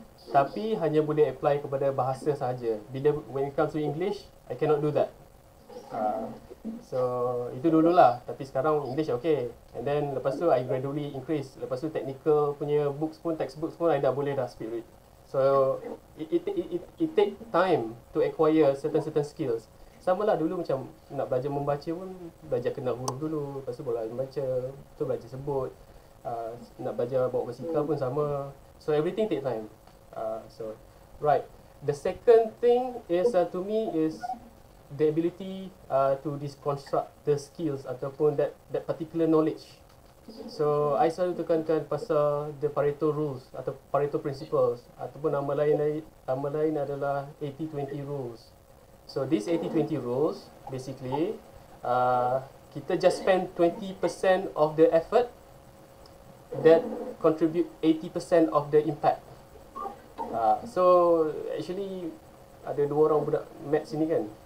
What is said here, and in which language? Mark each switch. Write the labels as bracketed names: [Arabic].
[Malay] tapi hanya boleh apply kepada bahasa sahaja. Bila [English] when it comes to English, I cannot do that. So [Malay] itu dululah, tapi sekarang [English] English okay. And then [Malay] lepas tu [English] I gradually increase. [Malay] Lepas tu technical punya books pun, textbooks pun I dah boleh dah [English] speak read. So it take time to acquire certain skills. [Malay] Sama lah dulu macam nak belajar membaca pun, belajar kenal huruf dulu, lepas tu belajar membaca, tu belajar sebut. Nak belajar bawa basikal pun sama. [English] So everything take time. So right, the second thing is to me is the ability to deconstruct the skills [Malay] ataupun [English] that particular knowledge. So I [Malay] selalu tekankan pasal [English] the Pareto rules [Malay] atau [English] Pareto principles [Malay] ataupun nama lain adalah [English] 80-20 rules. So this 80-20 rules basically [Malay] kita [English] just spend 20% of the effort that contribute 80% of the impact. [Malay] So actually ada dua orang budak maths sini kan.